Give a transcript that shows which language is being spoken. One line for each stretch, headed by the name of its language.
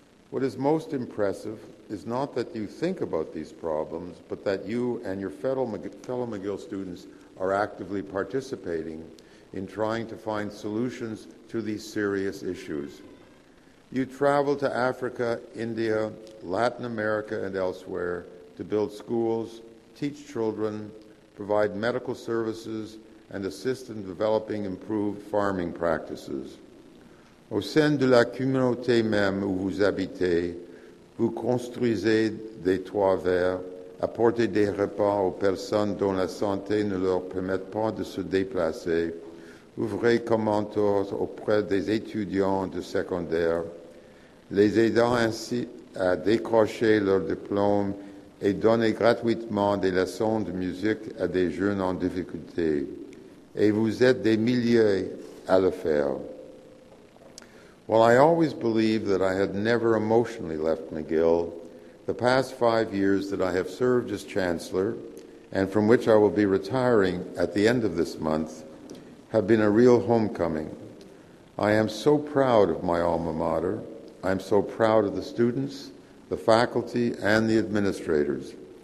English: What is most impressive is not that you think about these problems, but that you and your fellow McGill students are actively participating in trying to find solutions to these serious issues. You travel to Africa, India, Latin America, and elsewhere to build schools, teach children, provide medical services, and assist in developing improved farming practices.
French: Au sein de la communauté même où vous habitez, vous construisez des toits verts, apportez des repas aux personnes dont la santé ne leur permet pas de se déplacer, ouvrez comme mentor auprès des étudiants de secondaire, les aidant ainsi à décrocher leur diplôme et donner gratuitement des leçons de musique à des jeunes en difficulté. Et vous êtes des milliers à le faire.
English: While I always believed that I had never emotionally left McGill, the past 5 years that I have served as chancellor, and from which I will be retiring at the end of this month, have been a real homecoming. I am so proud of my alma mater. I'm so proud of the students, the faculty, and the administrators.